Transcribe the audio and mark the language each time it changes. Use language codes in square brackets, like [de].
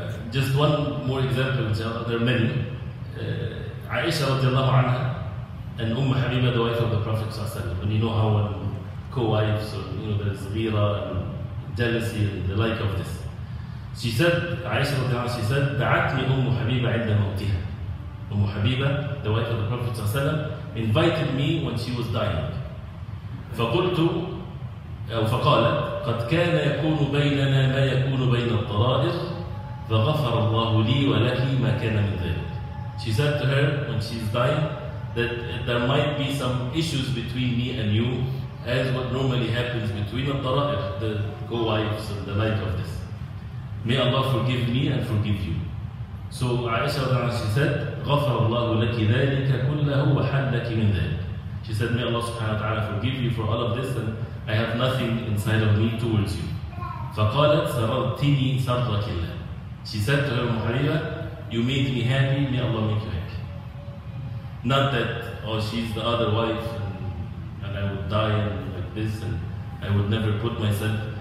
[en] Just one more example, there are many. Aisha radiallahu anha and Umm Habiba, the wife of the Prophet sallallahu alayhi wa sallam. And you know how co-wives, or you know, there's ghira and jealousy and the like of this. She said, Aisha radiallahu anha, she said, [ar] da'atni Umm Habiba inda mawtiha. [en] Umm Habiba, the wife of the Prophet sallallahu alayhi wa sallam, invited me when she was dying. [ar] فقلت أو فقالت قد كان يكون بيننا ما يكون بين الطرائق فغفر الله لي ولك ما كان من ذلك. [en] She said to her when she's dying that there might be some issues between me and you, as what normally happens between al-tara'ikh, the co-wives and the like of this. May Allah forgive me and forgive you. So Aisha, she said, [ar] غفر الله لك ذلك كله وحلك من ذلك. [en] She said, may Allah subhanahu wa ta'ala forgive you for all of this, and I have nothing inside of me towards you. [ar] فَقَالَتْ سَرَرْتِنِي سَرَّكِ اللَّهِ. [en] She said to her, Muhayyira, you made me happy, may Allah make you happy. Not that, oh, she's the other wife, and I would die like this, and I would never put myself.